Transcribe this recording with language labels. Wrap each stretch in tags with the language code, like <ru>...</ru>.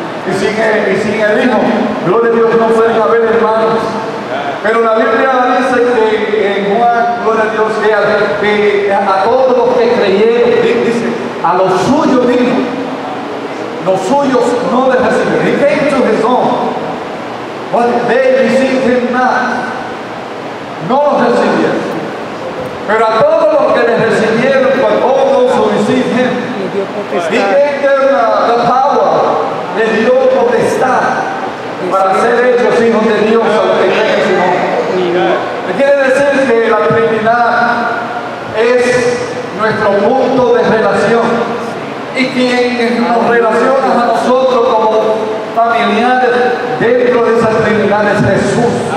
<es>Y sin el Hijo, gloria a Dios, no pueden haber hermanos. Pero la Biblia dice que en Juan, gloria a Dios, que a todos los que creyeron, dice, a los suyos mismos, los suyos no les recibieron.</es> <en>He came to his own, but they received him not.</en> <es>No los recibieron. Pero a todos los que les recibieron,</es> <en>but all those who received him, he gave them the power.</en> <es>Le dio potestad para ser hechos hijos de Dios a los que creen en su nombre. Quiere decir que la Trinidad es nuestro punto de relación. Y quien nos relaciona a nosotros como familiares dentro de esa Trinidad es Jesús.</es>